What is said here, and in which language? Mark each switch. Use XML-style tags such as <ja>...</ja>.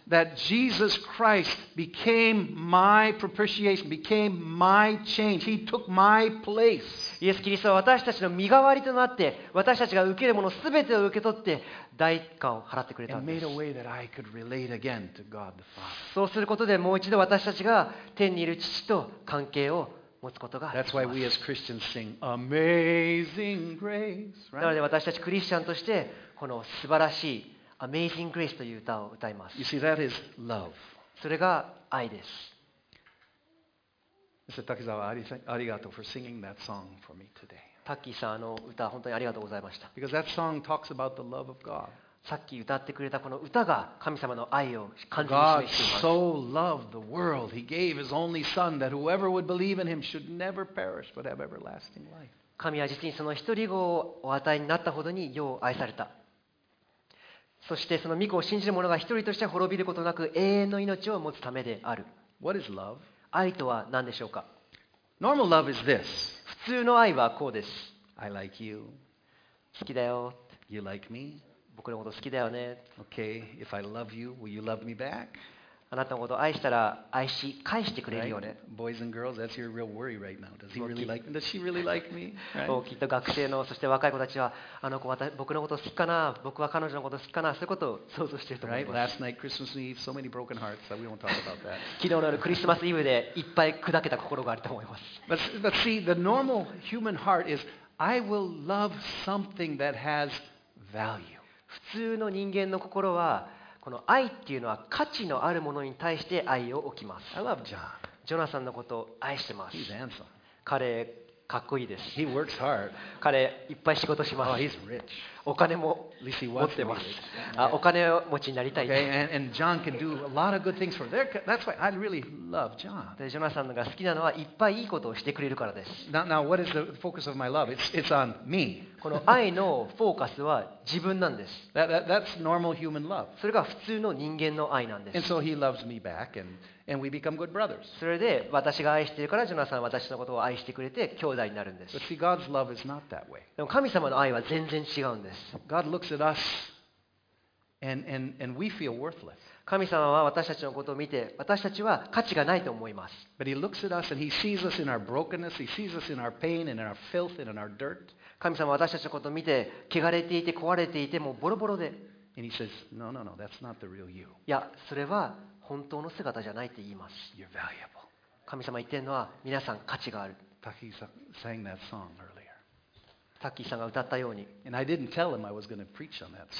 <en>That Jesus Christ became my propitiation, became my change. He took my place.</en> <ja>イエス・キリストは私たちの身代わりとなって、私たちが受けるものすべてを受け取って代価を払ってくれたんです。</ja> <en>And made a way that I could relate again to God the Father.</en> <ja>そうすることでもう一度私たちが天にいる父と関係を持つことが。</ja> <en>That's why we as Christians sing Amazing Grace.、Right?</en> <ja>なので私たちクリスチャンとしてこの素晴らしい Amazing Grace という歌を歌います。</ja> <en>You see, that is love.</en> <ja>それが愛です。</ja> <en>Mr. Takizawa,</en> <ja>ありがとう</ja> <en>for singing that song for me today.</en> <ja>タッキーさん、あの歌本当にありがとうございました。</ja> <en>Because that song talks about the love of God.</en> <ja>さっき歌ってくれたこの歌が神様の愛を感じに示しています。</ja> <en>God so loved the world, he gave his only son that whoever would believe in him should never perish but have everlasting life.</en> <ja>神は実にその一人子をお与えになったほどによう愛された。そしてその御子を信じる者が一人として滅びることなく永遠の命を持つためである。</ja> <en>What is love?</en> <ja>愛とは何でしょうか?</ja> <en>Normal love is this.</en> <ja>普通の愛はこうです。</ja> <en>I like you.</en> <ja>好きだよ。</ja> <en>You like me?</en> <ja>僕のこと好きだよね。</ja> <en>Okay, if I love you, will you love me back?</en> <ja>あなたのこと愛したら愛し返してくれるよね。</ja> <en>Boys and girls, that's your real worry right now. Does he really like me? Does she really like me?</en> <ja>もうきっと学生のそして若い子たちはあの子私僕のこと好きかな、僕は彼女のこと好きかな、そういうことを想像していると思います。</ja> <en>Right, last night, Christmas Eve, so many broken hearts. We won't talk about that.</en> <ja>昨日の夜クリスマスイブでいっぱい砕けた心があると思います。</ja> <en>But see, the normal human heart is I will love something that has value.</en> <ja>普通の人間の心はこの愛っていうのは価値のあるものに対して愛を置きます。</ja> <en>I love John.</en> <ja>ジョナサンのことを愛してます。</ja> <en>He's handsome.</en> <ja>彼かっこいいです。</ja> <en>He works hard.</en> <ja>彼いっぱい仕事します。</ja> <en>Oh, he's rich.</en> <ja>お金も持ってます。お金持ちになりたい。</ja> <en>Okay, and John can do a lot of good things for him. That's why I really love John.</en> <ja>ジョナサンが好きなのはいっぱいいいことをしてくれるからです。</ja> <en>Now what is the focus of my love? It's on me.</en> <ja>この愛のフォーカスは自分なんです。</ja> <en>That's normal human love.</en> <ja>それが普通の人間の愛なんです。</ja> <en>And so he loves me back and we become good brothers.</en> <ja>それで私が愛しているからジョナサンは私のことを愛してくれて兄弟になるんです。</ja> <en>But see, God's love is not that way.</en> <ja>でも神様の愛は全然違うんです。</ja> <en>God looks at us and we feel worthless.</en> <ja>神様は私たちのことを見て私たちは価値がないと思います。</ja> <en>But he looks at us and he sees us in our brokenness, he sees us in our pain and in our filth and in our dirt.</en> <ja>神様は私たちのことを見て汚れていて壊れていてもうボロボロで。</ja> <en>And he says, no, that's not the real you.</en> <ja>いや、それは本当の姿じゃないって言います。</ja> <en>You're valuable.</en> <ja>神様言ってるのは皆さん価値がある。</ja> <en>Taki sang that song earlier.</en> <ja>Taki さんが歌ったように。</ja> <en>And I didn't tell him I was going to preach on that song.</en>